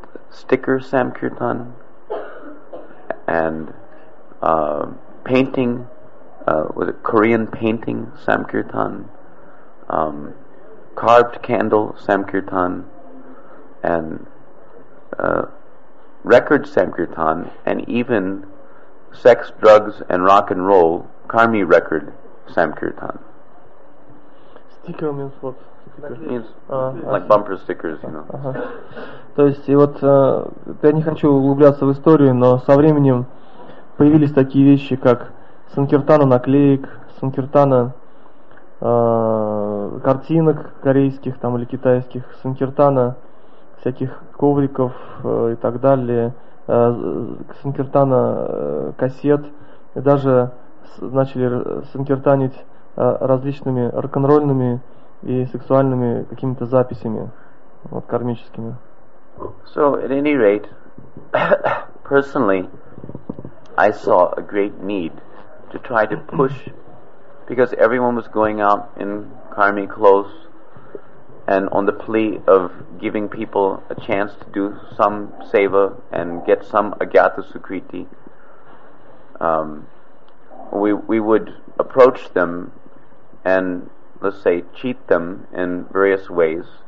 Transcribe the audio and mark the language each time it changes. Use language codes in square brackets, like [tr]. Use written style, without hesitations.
[en] sticker Samkirtan and painting was it Korean painting Samkirtan, carved candle Samkirtan, and record Samkirtan, and even sex, drugs, and rock and roll, Karmi record Samkirtan. Sticker means what? Like bumper stickers, you know. [ru] То есть, и вот я не хочу углубляться в историю, но со временем появились такие вещи, как Санкиртана наклеек, Санкиртана картинок корейских там или китайских, Санкиртана всяких ковриков и так далее, санкиртана кассет, и даже начали санкиртанить различными рок-н-ролльными и сексуальными какими-то записями, вот, кармическими. [en] So, at any rate, personally, I saw a great need to try to push, because everyone was going out in karmi clothes, and on the plea of giving people a chance to do some seva and get some agyata sukriti, we would approach them and, let's say, cheat them in various ways.